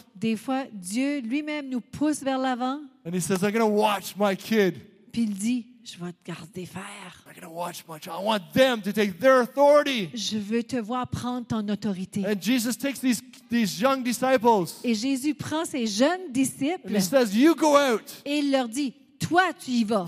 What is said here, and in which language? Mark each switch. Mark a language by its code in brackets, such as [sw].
[fr] Des fois, Dieu lui-même nous pousse vers l'avant. [en] And he says, I'm going to watch my kid. [fr] Puis il dit, je vais te garder faire. [en] I'm going to watch my child. I want them to take their authority. [fr] Je veux te voir prendre ton autorité. [en] And Jesus takes these young disciples. [fr] Et Jésus prend ces jeunes disciples. [en] And he says, you go out. [fr] Et il leur dit, toi, tu y vas.